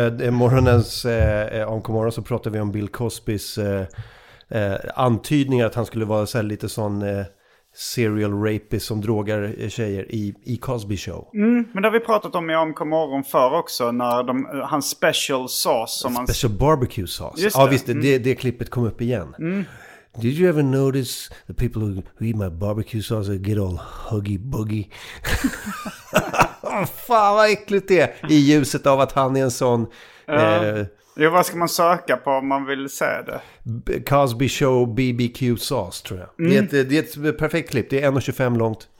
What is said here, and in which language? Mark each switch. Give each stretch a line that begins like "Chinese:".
Swedish: Morgonens omkommande så pratade vi om Bill Cosbys antydningar att han skulle vara så här, lite sån
English: serial rapist
Swedish: som drogar tjejer i Cosby Show. Mm, men det har vi pratat om i omkommande för också när hans
English: special sauce. Barbecue sauce.
Swedish: Det klippet kom upp igen. Mm.
English: Did you ever notice the people who eat my barbecue sauce get all huggy-buggy?
Swedish: Fan, vad äckligt det är, i ljuset av att han är en sån... Vad ska man söka på om man vill se det? Cosby Show BBQ sauce, tror jag. Mm. Det är ett perfekt klipp, det är 1,25 långt.